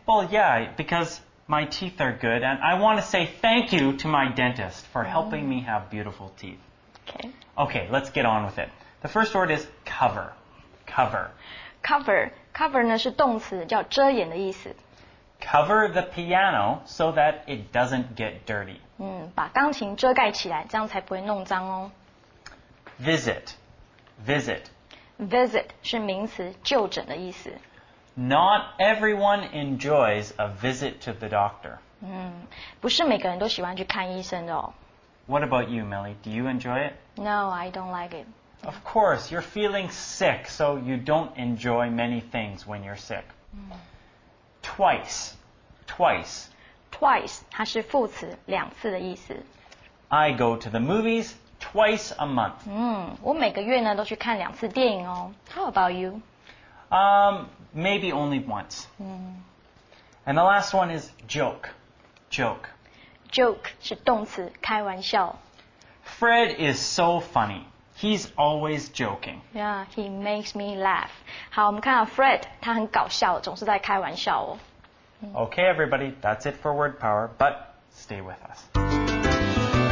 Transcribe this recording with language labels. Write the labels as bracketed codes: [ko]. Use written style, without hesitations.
[en] Well, yeah, because my teeth are good and I want to say thank you to my dentist for helping me have beautiful teeth. Okay, let's get on with it. The first word is cover. Cover. [zh] Cover. Cover 呢是动词，叫遮掩的意思。 [en] Cover the piano so that it doesn't get dirty. [zh] 把钢琴遮盖起来，这样才不会弄脏哦。 [en] Visit, visit. [zh] Visit 是名词，就诊的意思。 [en] Not everyone enjoys a visit to the doctor. [zh] 不是每个人都喜欢去看医生的哦。 [en] What about you, Millie? Do you enjoy it? No, I don't like it. Of course, you're feeling sick, so you don't enjoy many things when you're sick. Twice, [zh] 它是副词，两次的意思。 [en] I go to the movies twice a month. [zh] 我每个月呢都去看两次电影哦。 [en] How about you? Maybe only once. And the last one is joke, joke. [zh] Joke 是动词，开玩笑。 [en] Fred is so funny. He's always joking. Yeah, he makes me laugh. [zh] 好，我们看到 Fred, 他很搞笑，总是在开玩笑哦。 [en] Okay, everybody, that's it for Word Power, but stay with us.